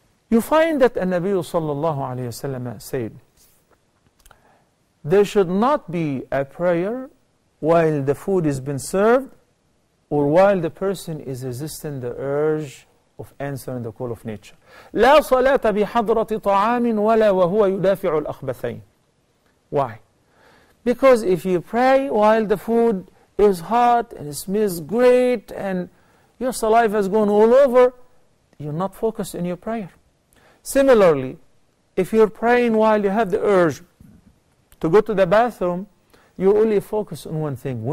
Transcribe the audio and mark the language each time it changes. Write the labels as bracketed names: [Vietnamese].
[English] You find that an-Nabi sallallahu alayhi wa sallam said, there should not be a prayer while the food has been served, or while the person is resisting the urge of answering the call of nature. [Arabic] لا صلاة بحضرة طعام ولا وهو يدافع الأخبثين. [English] Why? Because if you pray while the food is hot and it smells great and your saliva is going all over, you're not focused in your prayer. Similarly, if you're praying while you have the urge to go to the bathroom, you only focus on one thing.